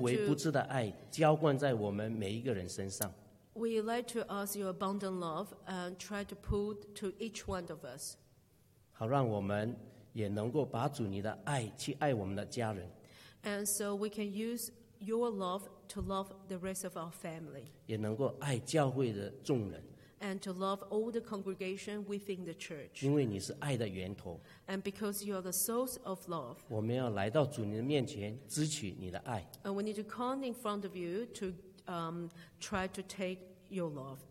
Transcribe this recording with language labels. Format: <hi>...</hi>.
<zh>无微不至的爱浇灌在我们每一个人身上。</zh> <en>We like to ask your abundant love and try to put to each one of us.</en> <zh>好让我们也能够把主你的爱去爱我们的家人。</zh> <en>And so we can use your love to love the rest of our family.</en> <zh>也能够爱教会的众人。</zh> <en>And to love all the congregation within the church.</en> <zh>因为你是爱的源头。</zh> <en>And because you are the source of love.</en> <zh>我们要来到主你的面前，支取你的爱。</zh> <en>And we need to come in front of you to try to take your love.</en>